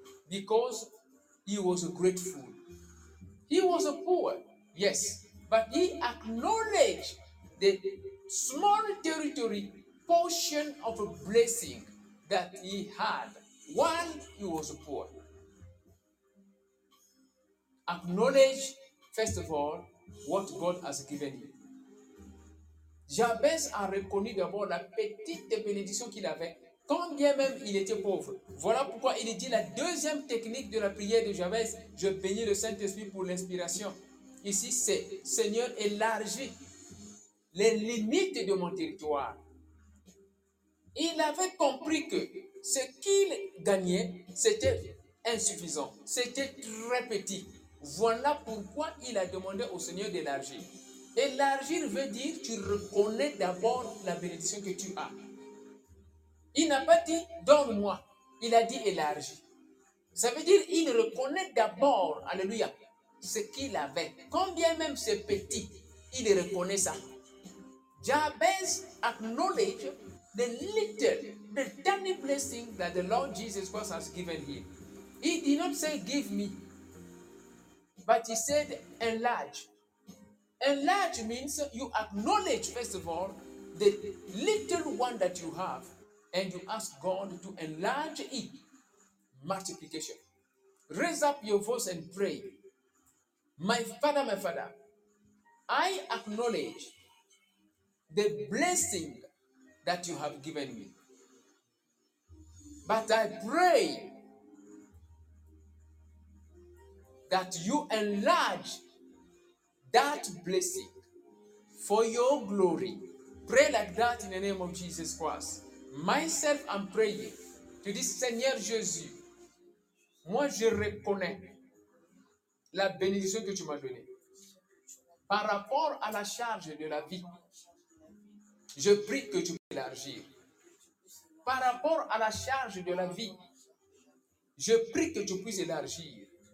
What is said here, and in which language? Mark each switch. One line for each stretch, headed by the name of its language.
English: Because he was grateful. He was poor, yes, but he acknowledged the small territory portion of a blessing that he had while he was poor. Acknowledge, first of all, what God has given you.
French: Jabez a reconnu d'abord la petite bénédiction qu'il avait, quand bien même il était pauvre. Voilà pourquoi il dit la deuxième technique de la prière de Jabez, je bénis le Saint-Esprit pour l'inspiration. Ici, c'est Seigneur, élargis les limites de mon territoire. Il avait compris que ce qu'il gagnait, c'était insuffisant, c'était très petit. Voilà pourquoi il a demandé au Seigneur d'élargir. Élargir veut dire tu reconnais d'abord la bénédiction que tu as. Il n'a pas dit donne-moi, il a dit élargir. Ça veut dire il reconnaît d'abord, alléluia, ce qu'il avait. Quand bien même c'est petit, il reconnaît ça.
English: Jabez acknowledge the little, the tiny blessing that the Lord Jesus Christ has given him. He did not say give me, but he said enlarge. Enlarge means you acknowledge, first of all, the little one that you have, and you ask God to enlarge it. Multiplication. Raise up your voice and pray. My Father, I acknowledge the blessing that you have given me. But I pray that you enlarge that blessing for your glory. Pray like that in the name of Jesus Christ. Myself, I'm praying.
French: Tu dis, Seigneur Jésus, moi je reconnais la bénédiction que tu m'as donnée par rapport à la charge de la vie. Je prie que tu m'élargisses. Par rapport à la charge de la vie, je prie que tu puisses élargir.